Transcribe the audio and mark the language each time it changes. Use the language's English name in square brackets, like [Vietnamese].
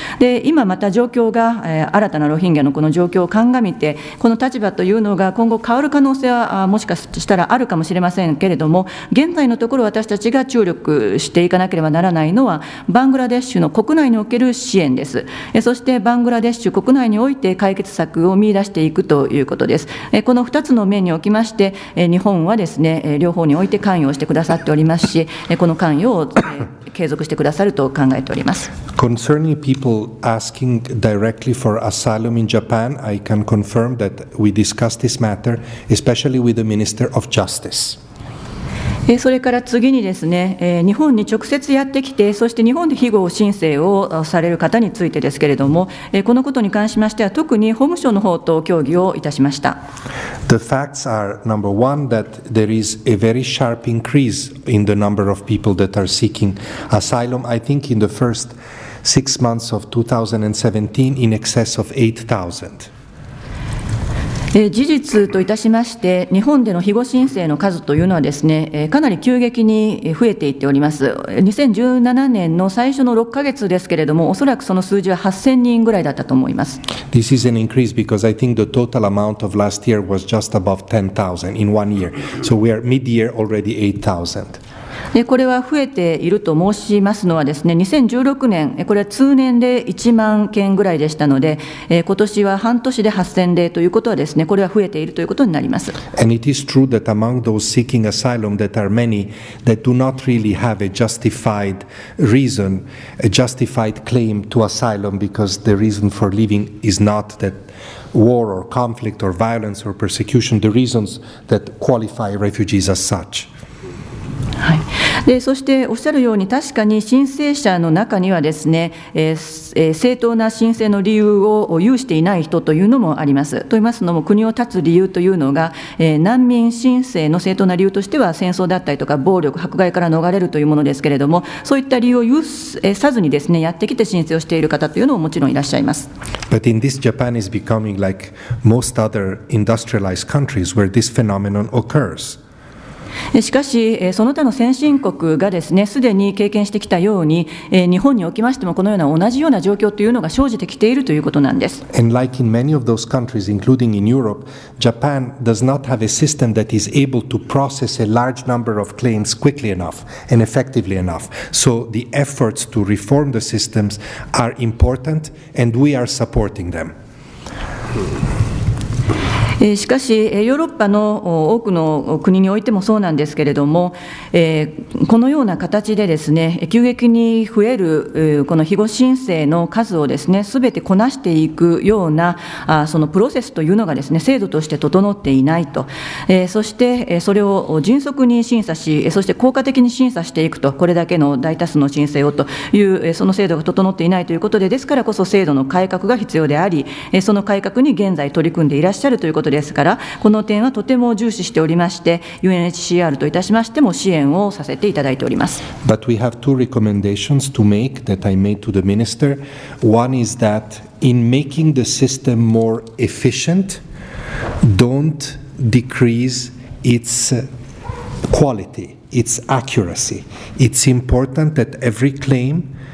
[Japanese] で今また状況が、新たなロヒンギャのこの状況を鑑みて、この立場というのが今後変わる可能性はもしかしたらあるかもしれませんけれども、現在のところ私たちが注力していかなければならないのは、バングラデシュの国内における支援です。そしてバングラデシュ国内において解決策を見出していくということです。この2つの面におきまして、日本はですね、両方において関与してくださっておりますし、この関与を継続してくださると考えております。 [English] Concerning people asking directly for asylum in Japan, I can confirm that we discussed this matter, especially with the Minister of Justice. [Japanese] それから次にですね、日本に直接やってきて、そして日本で庇護申請をされる方についてですけれども、このことに関しましては、特に法務省の方と協議をいたしました。 [English] The facts are, number one, that there is a very sharp increase in the number of people that are seeking asylum. I think in the first six months of 2017, in excess of 8,000. [Japanese] 事実といたしまして、日本での庇護申請の数というのはですね、かなり急激に増えていっております。 2017年の最初の6ヶ月ですけれども、おそらくその数字は8000人ぐらいだったと思います。 [English] This is an increase because I think the total amount of last year was just above 10,000 in one year. So we are mid-year already 8,000. [Japanese] でこれは増えていると申しますのはですね、2016年、これは通年で1万件ぐらいでしたので、今年は半年で8000例ということはですね、これは増えているということになります。 [English] And it is true that among those seeking asylum that are many that do not really have a justified reason, a justified claim to asylum because the reason for leaving is not that war or conflict or violence or persecution, the reasons that qualify refugees as such. [Japanese] でそしておっしゃるように確かに申請者の中にはですね、正当な申請の理由を有していない人というのもあります。と言いますのも国を立つ理由というのが、難民申請の正当な理由としては戦争だったりとか暴力迫害から逃れるというものですけれども、そういった理由を有さずにですねやってきて申請をしている方というのももちろんいらっしゃいます。 [English] But in this Japan is becoming like most other industrialized countries where this phenomenon occurs. [Japanese] しかしその他の先進国がですね、すでに経験してきたように日本におきましてもこのような同じような状況というのが生じてきているということなんです。 [English] And like in many of those countries, including in Europe, Japan does not have a system that is able to process a large number of claims quickly enough and effectively enough. So the efforts to reform the systems are important and we are supporting them. [Japanese] しかしヨーロッパの多くの国においてもそうなんですけれども、このような形でですね、急激に増えるこの庇護申請の数をですね、すべてこなしていくようなそのプロセスというのがですね、制度として整っていないと、そしてそれを迅速に審査し、そして効果的に審査していくと、これだけの大多数の申請をという、その制度が整っていないということで、ですからこそ制度の改革が必要であり、その改革に現在取り組んでいらっしゃるということですから、この点はとても重視しておりまして、 UNHCR といたしましても支援をさせていただいております。 [English] But we have two recommendations to make that I made to the minister. One is that in making the system more efficient, don't decrease its quality, its accuracy. It's important that every claim